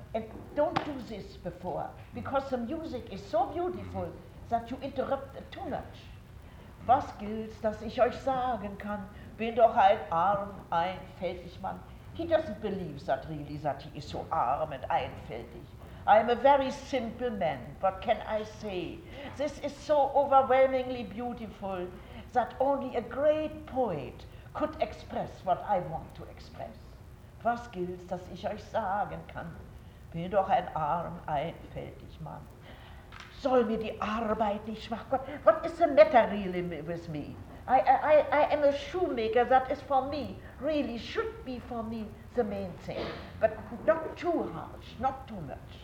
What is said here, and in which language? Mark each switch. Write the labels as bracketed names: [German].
[English] And don't do this before, because the music is so beautiful that you interrupt it too much. [German] Was gilt's, dass ich euch sagen kann, bin doch ein arm, einfältig Mann. [English] He doesn't believe that really, that he is so arm and einfältig. I'm a very simple man, what can I say? This is so overwhelmingly beautiful that only a great poet could express what I want to express. [German] Was gilt's, dass ich euch sagen kann, bin doch ein arm, einfältig Mann. Soll mir die Arbeit nicht schwach, Gott, [English] what is the matter really with me? I am a shoemaker, that is for me, really should be for me the main thing, but not too harsh, not too much.